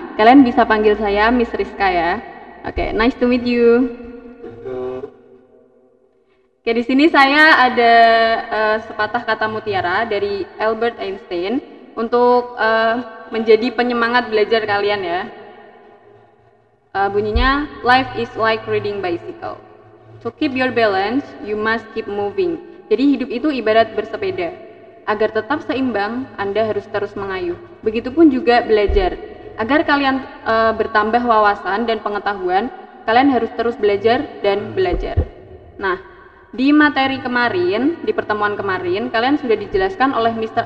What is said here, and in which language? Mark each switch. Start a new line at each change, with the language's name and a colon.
Indonesian: Kalian bisa panggil saya Miss Riska ya. Oke, okay,
English: nice to meet you.
Indonesian: Oke, di sini saya ada sepatah kata mutiara dari Albert Einstein untuk menjadi penyemangat belajar kalian ya.
English: Bunyinya, life is like riding bicycle. To keep your balance, you must keep moving.
Indonesian: Jadi hidup itu ibarat bersepeda. Agar tetap seimbang, Anda harus terus mengayuh. Begitupun juga belajar. Agar kalian bertambah wawasan dan pengetahuan, kalian harus terus belajar dan belajar. Nah, di materi kemarin, di pertemuan kemarin, kalian sudah dijelaskan oleh Mr.